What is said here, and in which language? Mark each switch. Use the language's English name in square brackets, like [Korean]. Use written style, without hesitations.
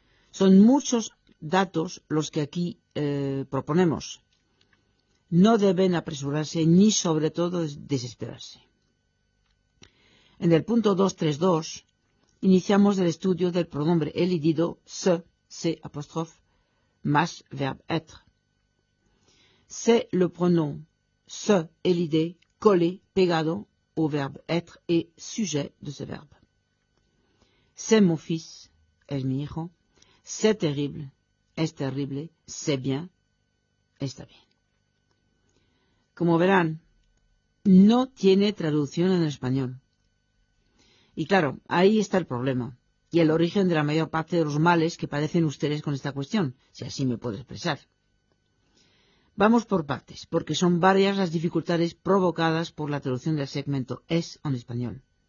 [Spanish] Son muchos datos los que aquí proponemos. No deben apresurarse ni sobre todo desesperarse. En el punto 2.3.2 iniciamos el estudio del pronombre elidido se, se apostrophe, más verbe être. [French] Se le pronom se elidé, collé, pegado au verbe être et sujet de ce verbe. C'est mon fils, [Spanish] es mi hijo. [French] C'est terrible, [Spanish] es terrible. [French] C'est bien, [Spanish] está bien. Como verán, no tiene traducción en español. Y claro, ahí está el problema y el origen de la mayor parte de los males que padecen ustedes con esta cuestión, si así me puedo expresar. Vamos por partes, porque son varias las dificultades provocadas por la traducción del segmento es en español.